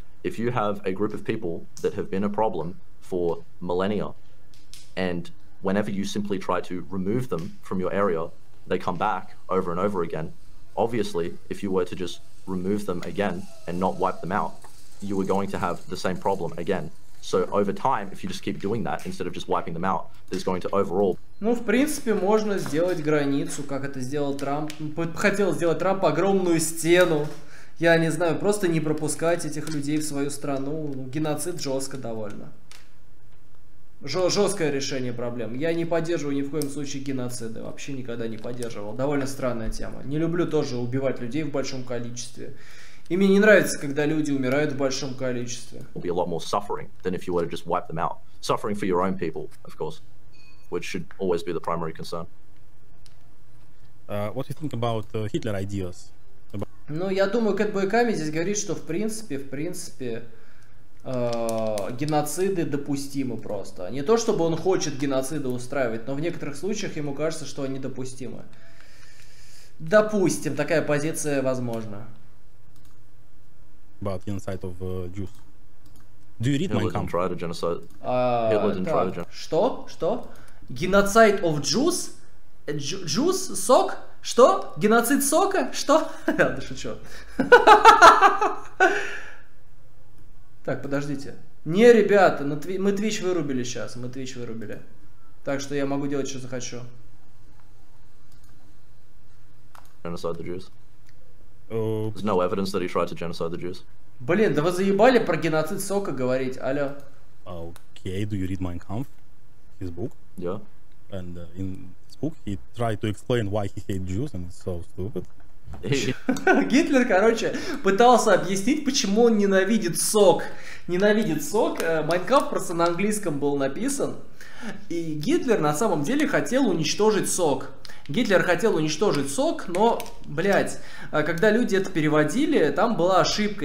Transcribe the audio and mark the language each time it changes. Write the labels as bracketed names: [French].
[English] If you have a group of people that have been a problem for millennia, and whenever you simply try to remove them from your area, they come back over and over again. Obviously, if you were to just remove them again and not wipe them out, you were going to have the same problem again. So over time, if you just keep doing that instead of just wiping them out, there's going to overall. [Russian] Ну, в принципе, можно сделать границу, как это сделал Трамп. Хотел сделать Трамп огромную стену. Я не знаю, просто не пропускать этих людей в свою страну. Геноцид жестко довольно. Жесткое решение проблем. Я не поддерживаю ни в коем случае геноциды. Вообще никогда не поддерживал. Довольно странная тема. Не люблю тоже убивать людей в большом количестве. И мне не нравится, когда люди умирают в большом количестве. [English] Will be a lot more suffering than if you were to just wipe them out. Suffering for your own people, of course, which should always be the primary concern. What do you think about Hitler ideas? [Russian] Ну, я думаю, Кэт Бойками здесь говорит, что в принципе, геноциды допустимы просто. Не то, чтобы он хочет геноциды устраивать, но в некоторых случаях ему кажется, что они допустимы. Допустим, такая позиция возможна. [English] About genocide of Jews. Do you read Mein Kampf? Hitler didn't try to genocide. [Russian] Что? Что? [English] Genocide of Jews? Juice? [Russian] Сок? Что? Геноцид сока? Что? Да шучу. Так, подождите. Не, ребята, мы Twitch вырубили сейчас. Мы Twitch вырубили. Так что я могу делать, что захочу. [English] Genocide the Jews. There's no evidence that he tried to genocide the Jews. [Russian] Блин, да вы заебали про геноцид сока говорить, алло. [English] Okay, do you read Mein Kampf? His book? Yeah. And in his book he tried to explain why he hates Jews and it's so stupid. [Russian] Гитлер, короче, пытался объяснить, почему он ненавидит сок. Ненавидит сок. Mein Kampf просто на английском был написан. И Гитлер на самом деле хотел уничтожить сок. Гитлер хотел уничтожить сок, но, блядь, когда люди это переводили, там была ошибка.